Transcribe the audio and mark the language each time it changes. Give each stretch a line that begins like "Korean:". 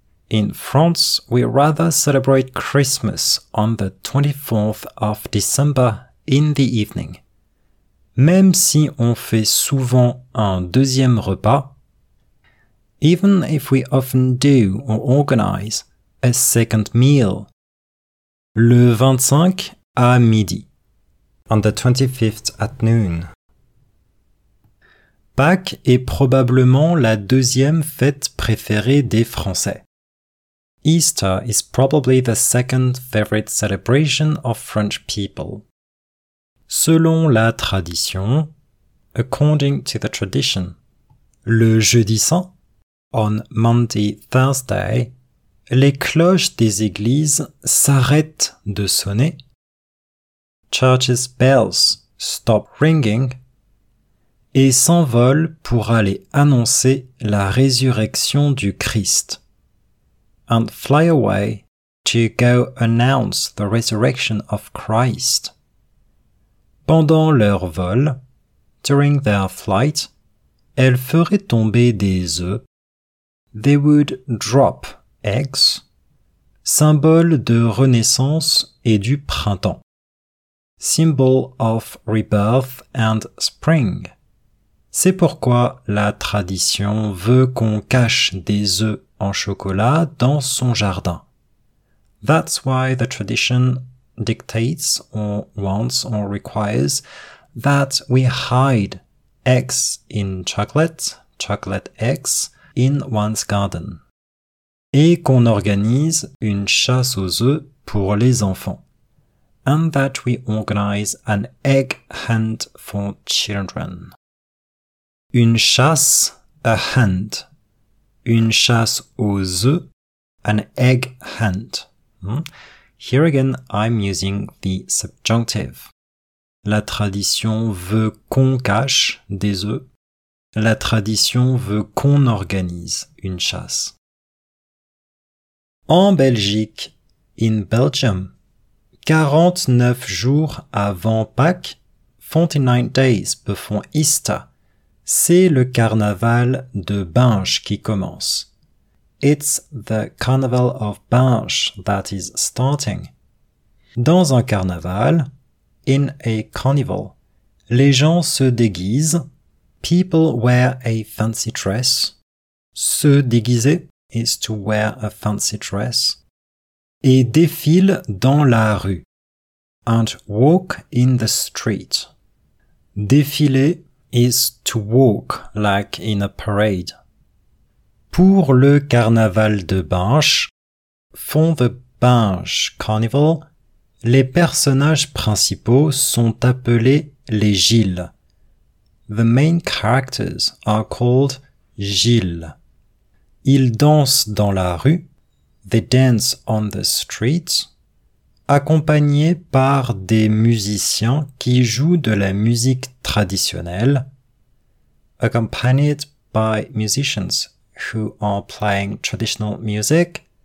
English: In France, we rather celebrate Christmas on the 24th of December in the evening.
French: Même si on fait souvent un deuxième repas,
English: even if we often do or organize a second meal,
French: le 25 à midi,
English: on the 25th at noon.
French: Pâques est probablement la deuxième fête préférée des Français.
English: Easter is probably the second favorite celebration of French people.
French: Selon la tradition,
English: according to the tradition,
French: le jeudi saint,
English: on Monday, Thursday,
French: les cloches des églises s'arrêtent de sonner.
English: Churches' bells stop ringing
French: et s'envolent pour aller annoncer la résurrection du Christ.
English: And fly away to go announce the resurrection of Christ.
French: Pendant leur vol,
English: during their flight,
French: elles feraient tomber des œufs.
English: They would drop eggs,
French: symbole de renaissance et du printemps.
English: Symbol of rebirth and spring.
French: C'est pourquoi la tradition veut qu'on cache des œufs en chocolat dans son jardin.
English: That's why the tradition dictates or wants or requires that we hide eggs in chocolate eggs in one's garden.
French: Et qu'on organise une chasse aux œufs pour les enfants.
English: And that we organize an egg hunt for children.
French: Une chasse,
English: a hunt.
French: Une chasse aux œufs,
English: an egg hunt. Here again, I'm using the subjunctive.
French: La tradition veut qu'on cache des œufs. La tradition veut qu'on organise une chasse. En Belgique,
English: in Belgium,
French: 49 jours avant Pâques,
English: 49 days before Easter,
French: c'est le carnaval de Binche qui commence.
English: It's the carnival of Binche that is starting.
French: Dans un carnaval,
English: in a carnival,
French: les gens se déguisent,
English: people wear a fancy dress. Se déguiser is to wear a fancy dress.
French: Et défile dans la rue.
English: And walk in the street. Défiler is to walk like in a parade.
French: Pour le carnaval de Binche,
English: for the Binche Carnival,
French: les personnages principaux sont appelés les Gilles.
English: The main characters are called Gilles.
French: Ils dansent dans la rue.
English: They dance on the street.
French: Accompagné par des musiciens qui jouent de la musique traditionnelle.
English: Accompanied by musicians who are playing traditional music.